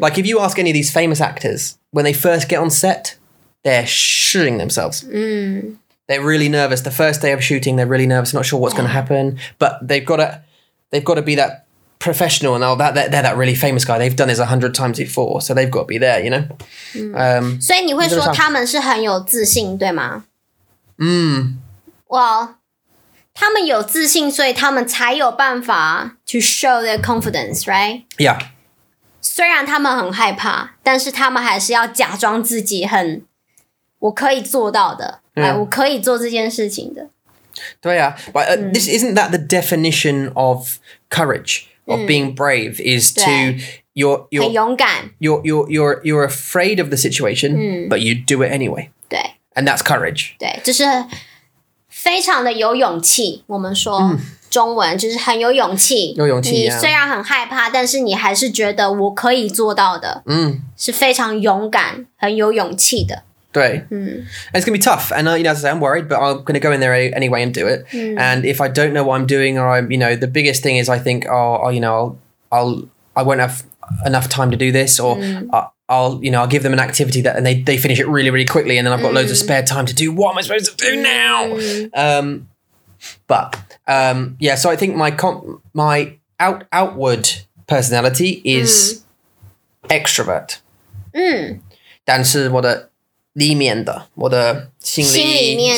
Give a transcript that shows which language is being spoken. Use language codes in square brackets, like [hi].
[en] like if you ask any of these famous actors when they first get on set they're shitting themselves、 mm. they're really nervous the first day of shooting they're really nervous not sure what's、yeah. going to happen but they've got to be thatprofessional and all that they're that really famous guy they've done this 100 times before so they've got to be there you know、 mm. [zh] 所以你会说他们是很有自信对吗嗯、mm. well 他们有自信所以他们才有办法 [en] to show their confidence right yeah [zh] 虽然他们很害怕但是他们还是要假装自己很我可以做到的、 [en] yeah. [zh] like, 我可以做这件事情的对啊 [en] but、 [zh] mm. [en] this isn't that the definition of courageOf being brave is to you're [zh] 很勇敢 [en] you're afraid of the situation、嗯、 but you do it anyway [zh] 对 [en] and that's courage [zh] 对就是非常的有勇气我们说中文、嗯、就是很有勇气有勇气你虽然很害怕、 [en] yeah. [zh] 但是你还是觉得我可以做到的、嗯、是非常勇敢很有勇气的对、嗯、 [en] and it's gonna be tough and you know as I say I'm worried but I'm gonna go in there anyway and do it、嗯、 and if I don't know what I'm doing or I'm you know the biggest thing is I think oh you know I won't have enough time to do this or、嗯、 I'll you know I'll give them an activity that and they finish it really really quickly and then I've got、嗯、loads of spare time to do what am I supposed to do now、嗯、 but yeah so I think my outward personality is、嗯、 extrovert、嗯、 [zh] 但是我的里面的我的心里面